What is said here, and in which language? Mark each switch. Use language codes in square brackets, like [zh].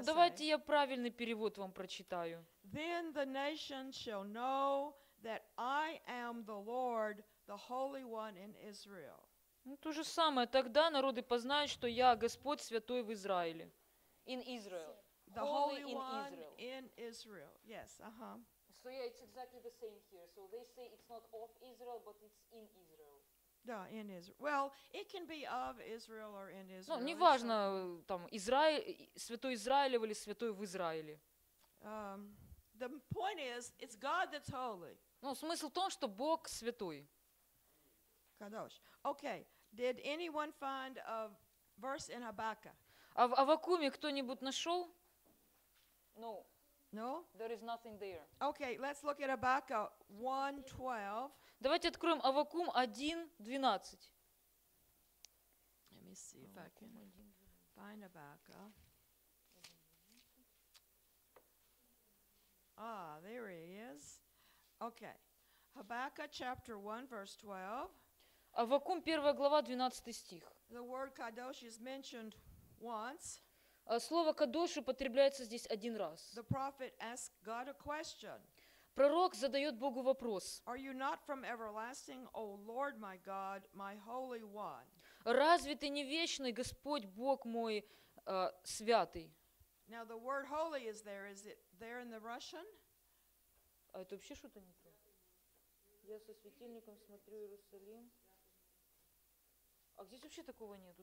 [ru] Ну, давайте я правильный перевод вам прочитаю. [en] Then the nation shall know that I am the Lord, the Holy One in Israel. [ru] Ну, то же самое. Тогда народы познают, что я Господь Святой в Израиле. [en] In Israel. The Holy One in Israel. Yes, uh-huh. So, yeah, it's exactly the same here. So, they say it's not of Israel, but it's in Israel. Да, in Israel. Well, it can be of Israel or in Israel. [ru] Ну, неважно, там, Израиль, Святой Израилев или Святой в Израиле. [en] The point is, it's God that's holy. [ru] Ну, смысл в том, что Бог святой. Кадош. Okay. [en] Did anyone find a verse in Habakkuk? [ru] А в Аввакуме кто-нибудь нашел? [en] No. No? There is nothing there. Okay, let's look at Habakkuk 1:12. [ru] Давайте откроем Аввакум 1:12. [en] Let me see if I can find Habakkuk. Ah, there he is. Okay. Habakkuk chapter 1, verse 12. [ru] Аввакум, 1 глава, 12 стих. [en] The word Kadosh is mentioned once. [ru] Слово Кадош употребляется здесь один раз. [en] The prophet asks God a question. [ru] Пророк задает Богу вопрос. [en] Are you not from everlasting, O Lord my God, my Holy One? [ru] Разве ты не вечный Господь, Бог мой, святый? [en] Now the word holy is there. Is it there in the Russian? [ru] А это вообще что-то не то? Я со светильником смотрю Иерусалим. А здесь вообще такого нету?